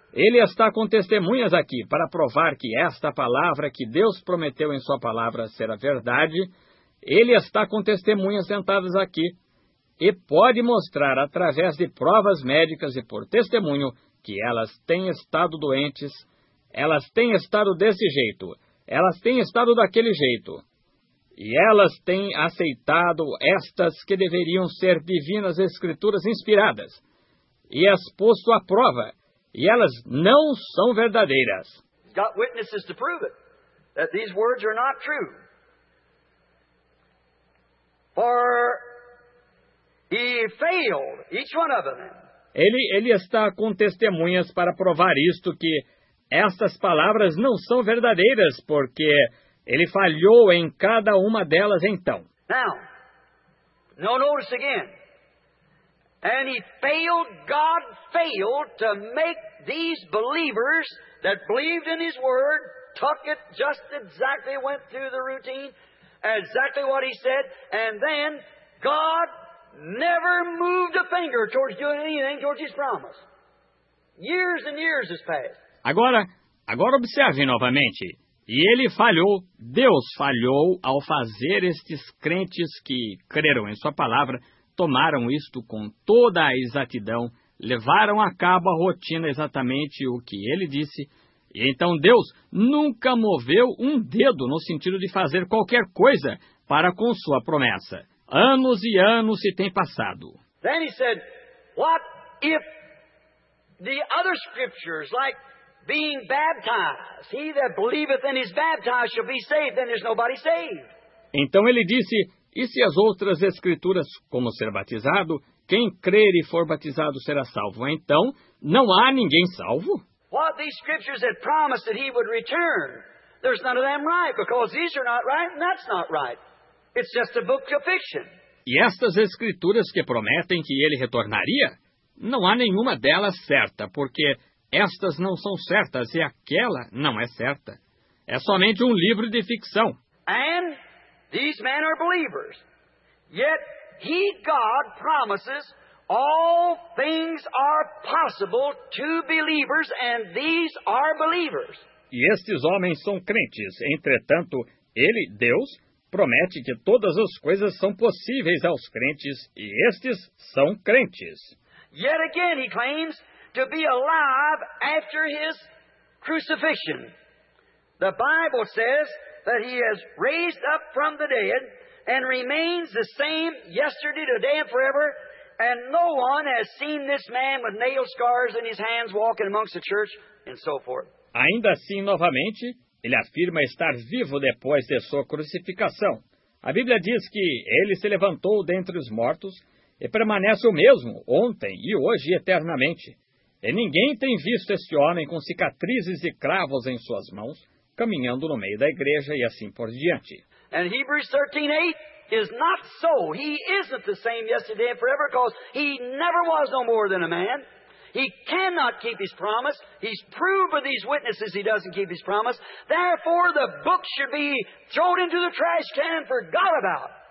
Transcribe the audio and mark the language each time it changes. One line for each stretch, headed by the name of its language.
Portuguese: Ele está com testemunhas aqui para provar que esta palavra que Deus prometeu em sua palavra será verdade. Ele está com testemunhas sentadas aqui e pode mostrar através de provas médicas e por testemunho que elas têm estado doentes, elas têm estado desse jeito, elas têm estado daquele jeito. E elas têm aceitado estas que deveriam ser divinas escrituras inspiradas e as posto à prova. E elas não são verdadeiras.
English: He's got witnesses to prove it, that these words are not true. For he failed, each one of them.
Portuguese: Ele está com testemunhas para provar isto, que estas palavras não são verdadeiras, porque ele falhou em cada uma delas então.
English: Now, now notice again. And he failed, God failed to make these believers that believed in his word, took it just exactly, went through the routine, exactly what he said, and then God never moved a finger towards doing anything towards his promise. Years and years has passed.
Portuguese: Agora observe novamente. E ele falhou, Deus falhou ao fazer estes crentes que creram em sua palavra, tomaram isto com toda a exatidão, levaram a cabo a rotina exatamente o que ele disse, e então Deus nunca moveu um dedo no sentido de fazer qualquer coisa para com sua promessa. Anos e anos se têm passado.
English: Then he said, what if the other scriptures, like being baptized. He that believeth and is baptized shall be saved. Then there's nobody saved.
Portuguese: Então ele disse, e se as outras escrituras, como ser batizado, quem crer e for batizado será salvo. Então, não há ninguém salvo?
English: What these scriptures that promised that he would return, there's none of them right, because these are not right and that's not right. It's just a book of fiction.
Portuguese: E estas escrituras que prometem que ele retornaria, não há nenhuma delas certa, porque estas não são certas e aquela não é certa. É somente um livro de ficção.
English: And these men are believers. Yet he, God, promises all things are possible to believers, and these are believers.
Portuguese: E estes homens são crentes. Entretanto, ele, Deus, promete que todas as coisas são possíveis aos crentes, e estes são crentes.
English: Yet again, he claims to be alive after his crucifixion. The Bible says that he has raised up from the dead and remains the same yesterday, today, and forever. And no one has seen this man with nail scars in his hands walking amongst the church and so forth.
Portuguese: Ainda assim, novamente, ele afirma estar vivo depois de sua crucificação. A Bíblia diz que ele se levantou dentre os mortos e permanece o mesmo ontem e hoje eternamente. E ninguém tem visto este homem com cicatrizes e cravos em suas mãos, caminhando no meio da igreja e assim por diante.
English: And Hebrews 13:8 is not so. He isn't the same yesterday and forever, because he never was no more than a man. He cannot keep his promise. He's proved by these witnesses he doesn't keep his promise. Therefore, the book should be thrown into the trash can and forgot about.